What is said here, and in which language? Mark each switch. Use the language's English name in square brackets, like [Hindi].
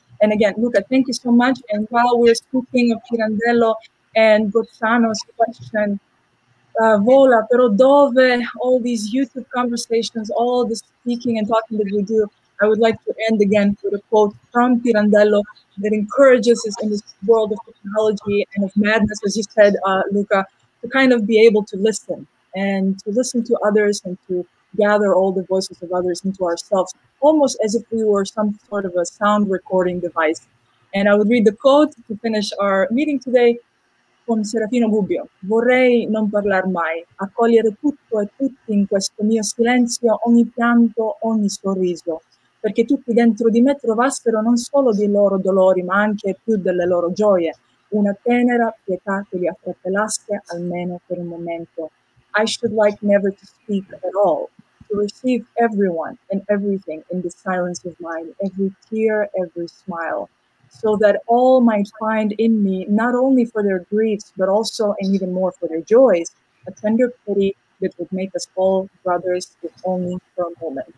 [English] And again, Luca, thank you so much. And while we're speaking of Pirandello and Gozzano's question, [Italian] vola, però dove, [English] all these YouTube conversations, all the speaking and talking that we do, I would like to end again with a quote from Pirandello that encourages us in this world of technology and of madness, as you said, Luca, to kind of be able to listen to others and to gather all the voices of others into ourselves, almost as if we were some sort of a sound recording device. And I would read the quote to finish our meeting today from Serafino Gubbio. [Italian] Vorrei non parlar mai, accogliere tutto e tutti in questo mio silenzio, ogni pianto, ogni sorriso, perché tutti dentro di me trovassero non solo dei loro dolori, ma anche più delle loro gioie, una tenera pietà che li affratellasse almeno per un momento. [English] I should like never to speak at all, to receive everyone and everything in the silence of mine, every tear, every smile, so that all might find in me, not only for their griefs, but also, and even more for their joys, a tender pity that would make us all brothers, if only for a moment.